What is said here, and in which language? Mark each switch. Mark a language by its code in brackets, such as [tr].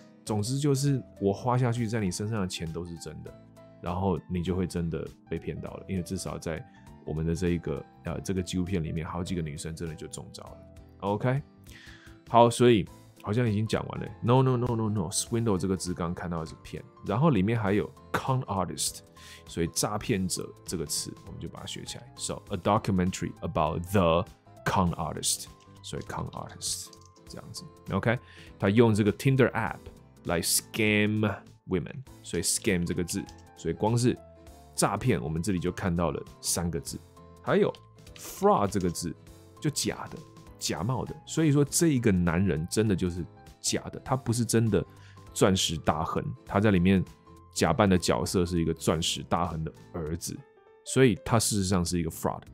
[zh] 总之就是我花下去在你身上的钱都是真的，然后你就会真的被骗到了。因为至少在我们的这一个这个纪录片里面，好几个女生真的就中招了。 OK， 好，所以好像已经讲完了。 No，swindle 这个字刚看到的是骗，然后里面还有 con artist。所以诈骗者这个词我们就把它学起来。 [en] So, a documentary about the con artist. [zh] 所以 con artist, 这样子。 [en] OK? [zh] 他用这个 Tinder app 来 [en] scam women. [zh] 所以 scam 这个字。所以光是诈骗我们这里就看到了三个字。还有 fraud 这个字就假的假冒的。所以说这一个男人真的就是假的，他不是真的钻石大亨，他在里面假扮的角色是一个钻石大亨的儿子，所以他事实上是一个 fraud。